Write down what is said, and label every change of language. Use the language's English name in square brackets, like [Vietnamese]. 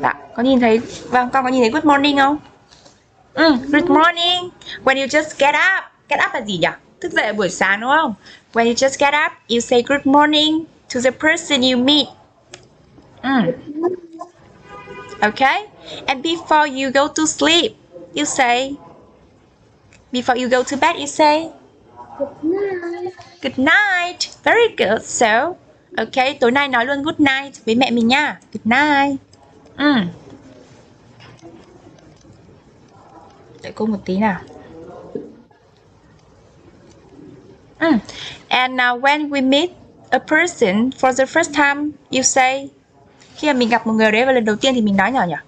[Vietnamese] dạ, có nhìn thấy, vâng, con có nhìn thấy good morning không? Good morning. [English] When you just get up. [Vietnamese] Get up là gì nhỉ? Thức dậy buổi sáng đúng không? [English] When you just get up, you say good morning to the person you meet. Okay. And before you go to sleep, you say before you go to bed, you say good night. Good night. Very good. [Vietnamese] So okay, tối nay nói luôn good night với mẹ mình nha. Good night. Đợi cô một tí nào. [English] And now when we meet a person for the first time, you say [Vietnamese] khi mà mình gặp một người đấy và lần đầu tiên thì mình nói nhỏ nhỏ.